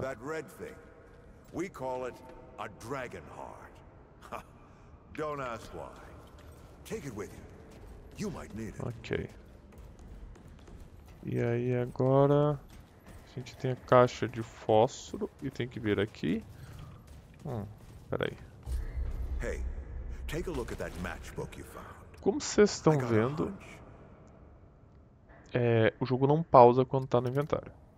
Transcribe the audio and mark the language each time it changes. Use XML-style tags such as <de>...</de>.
<en>That red thing. We call it a dragon heart. Don't ask why. Take it with you. You might need it. Okay.</en> <pt>E aí agora a gente tem a caixa de fósforo e tem que vir aqui. Peraí.</pt> <en>Hey, take a look at that matchbook you found.</en> <pt>Como vocês estão vendo, o jogo não pausa quando está no inventário.</pt>